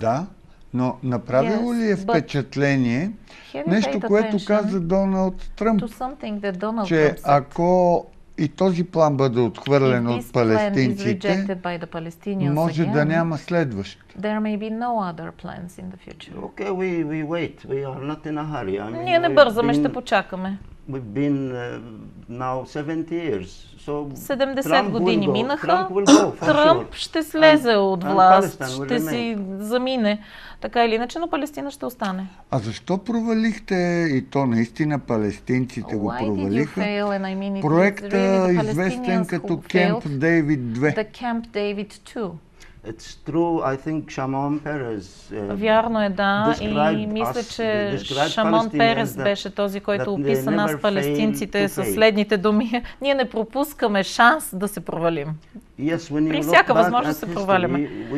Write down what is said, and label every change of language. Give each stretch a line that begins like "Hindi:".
Bulgarian: Да, но направило ли е впечатление нещо, което каза Доналд Тръмп, че ако и този план бъде отхвърлен от палестинците, може да няма следващ.
English: There may be no other plans in the future. Okay, we wait. We are not in a hurry.
Bulgarian: Ние не бързаме, ще почакаме.
English: We've been now 70 years. So
Bulgarian: 70 години минаха. Тръмп ще слезе от власт, ще си замине. Така или иначе, но Палестина ще остане. А защо провалихте, и то наистина палестинците го провалиха, проекта, известен като Camp David 2?
English: The Camp David 2. It's true, I think Shimon Peres.
Bulgarian: Вярно е, да, и мисля, че Шамон Перес беше този, който описа нас палестинците със следните думи. Ние не пропускаме шанс да се провалим. При всяка възможност се проваляме.